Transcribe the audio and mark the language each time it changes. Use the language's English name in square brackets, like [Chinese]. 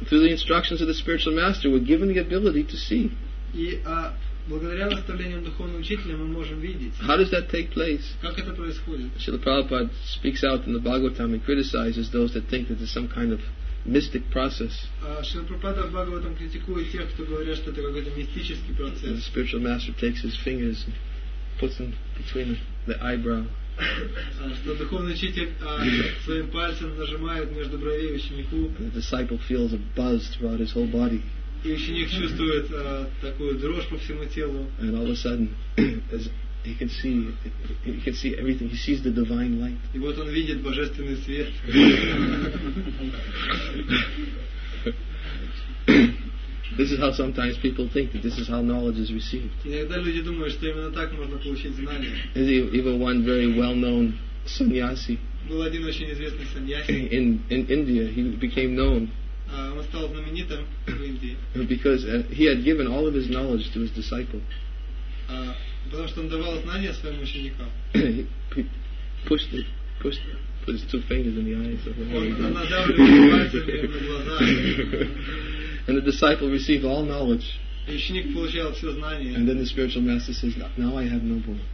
[English] Through the instructions of the spiritual master, we're given the ability to see. [Russian] И благодаря наставлениям духовного учителя мы можем видеть. [English] How does that take place? [Russian] Как это происходит? [English] Srila Prabhupada speaks out in the Bhagavatam and criticizes those that think that there's some kind of mystic process. [Russian] Srila Prabhupada в Бхагаватам критикует тех, кто говорят, что это какой-то мистический процесс. [English] The spiritual master takes his fingers and puts them between the eyebrow. [Russian] Что духовный учитель своим пальцем нажимает между бровей ученику. [English] The disciple feels a buzz throughout his whole body. [Russian] И ученик чувствует такую дрожь по всему телу. [English] And all of a sudden, as he can see everything. He sees the divine light. [Russian] И вот он видит божественный свет. Yeah. [English] This is how sometimes people think that this is how knowledge is received. [Russian] Иногда люди думают, что именно так можно получить знания. [English] As even one very well-known sannyasi. [Russian] Был один очень известный sannyasi. [English] In India, he became known. [Russian] Он стал знаменитым в Индии. [English] Because he had given all of his knowledge to his disciple. [Russian] Потому что он давал знания своим ученикам. [English] Put his two fingers in the eyes of and the disciple received all knowledge. And then the spiritual master says, now I have no more.